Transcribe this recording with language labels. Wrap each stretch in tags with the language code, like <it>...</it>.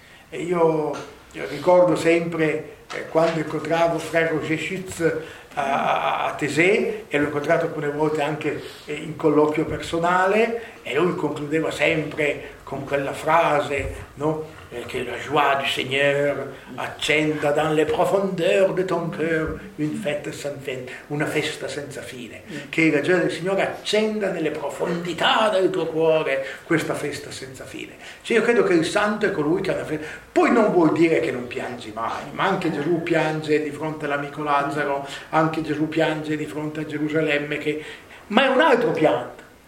<it>E io ricordo sempre quando incontravo Fra Roger Schütz a Tese, e l'ho incontrato alcune volte anche in colloquio personale, e lui concludeva sempre con quella frase, no?</it> <fr>Che la joie du Seigneur accenda dans les profondeurs de ton cœur une fête sans fin,</fr> <it>una festa senza fine. Che la gioia del Signore accenda nelle profondità del tuo cuore questa festa senza fine. Cioè, io credo che il santo è colui che ha la festa. Poi non vuol dire che non piangi mai, ma anche Gesù piange di fronte all'amico Lazzaro, anche Gesù piange di fronte a Gerusalemme, ma è un altro pianto.</it>